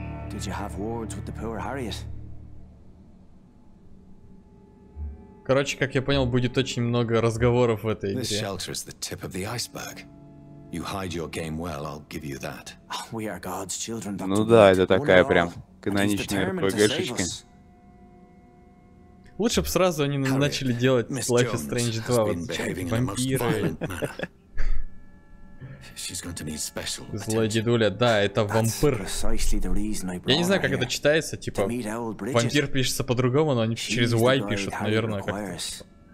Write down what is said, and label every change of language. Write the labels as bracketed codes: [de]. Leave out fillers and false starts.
[en] Did you have words with the poor Harriet? [ru] Короче, как я понял, будет очень много разговоров в этой игре. [en] This shelter is the tip of the iceberg. You hide your game well, I'll give you that. We are God's children, Dr. [ru] Ну да, это такая прям каноничная RPG-шечка. Лучше бы сразу они начали делать Life is Strange 2, вот эти вампиры. Злой дедуля, да, это вампир. Я не знаю, как это читается, типа, вампир пишется по-другому, но они через Y пишут, наверное, как-то.